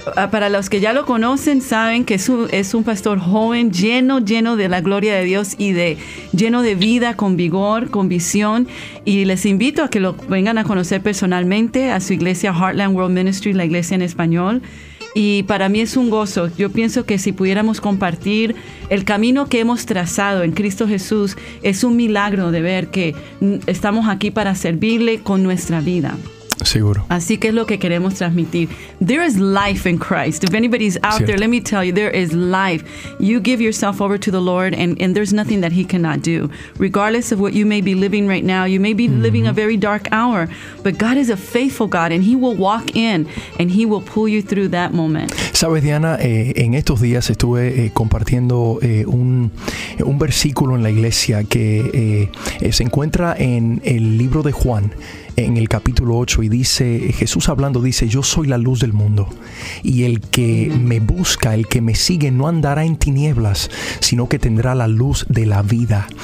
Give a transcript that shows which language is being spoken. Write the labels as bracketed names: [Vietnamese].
[Spanish] Para los que ya lo conocen, saben que es un pastor joven, lleno de la gloria de Dios y lleno de vida, con vigor, con visión, y les invito a que lo vengan a conocer personalmente a su iglesia Heartland World Ministry, la iglesia en español. Y para mí es un gozo. Yo pienso que si pudiéramos compartir el camino que hemos trazado en Cristo Jesús, es un milagro de ver que estamos aquí para servirle con nuestra vida. Seguro. Así que es lo que queremos transmitir. [English] There is life in Christ. If anybody's out [Spanish] Cierto. [English] There, let me tell you, there is life. You give yourself over to the Lord, and there's nothing that He cannot do. Regardless of what you may be living right now, you may be mm-hmm. living a very dark hour, but God is a faithful God, and He will walk in, and He will pull you through that moment. [Spanish] Sabes, Diana, en estos días estuve compartiendo un versículo en la iglesia que se encuentra en el libro de Juan, en el capítulo 8, y dice, Jesús hablando, dice, yo soy la luz del mundo, y el que me busca, el que me sigue, no andará en tinieblas, sino que tendrá la luz de la vida.